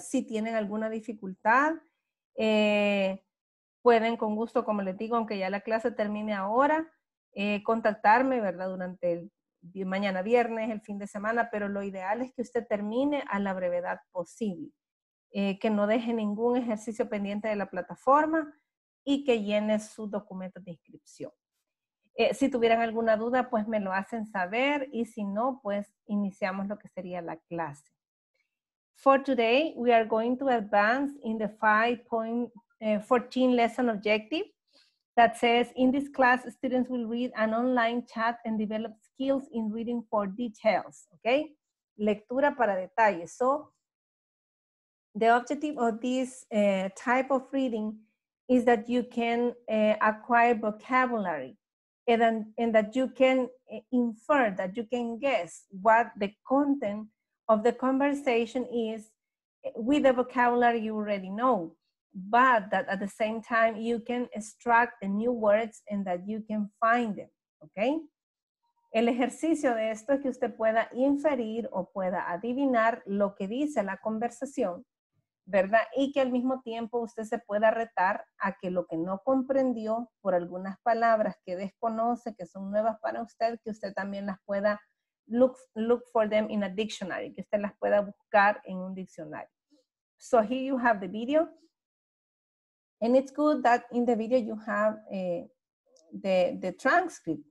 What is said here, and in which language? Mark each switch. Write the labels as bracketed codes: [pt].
[es] Si tienen alguna dificultad, pueden con gusto, como les digo, aunque ya la clase termine ahora, contactarme, ¿verdad?, durante el mañana viernes, el fin de semana, pero lo ideal es que usted termine a la brevedad posible. que no deje ningún ejercicio pendiente de la plataforma y que llene sus documentos de inscripción. Si tuvieran alguna duda, pues me lo hacen saber y si no, pues iniciamos lo que sería la clase. [en] For today, we are going to advance in the 5.14 lesson objective that says, in this class, students will read an online chat and develop skills in reading for details, okay? [es] Lectura para detalles. [en] So, the objective of this type of reading is that you can acquire vocabulary. And that you can infer, that you can guess what the content of the conversation is with the vocabulary you already know, but that at the same time you can extract the new words and that you can find them, okay? [es] El ejercicio de esto es que usted pueda inferir o pueda adivinar lo que dice la conversación, ¿verdad? Y que al mismo tiempo usted se pueda retar a que lo que no comprendió por algunas palabras que desconoce, que son nuevas para usted, que usted también las pueda [en] look for them in a dictionary, [es] que usted las pueda buscar en un diccionario. [en] So here you have the video. And it's good that in the video you have the transcript.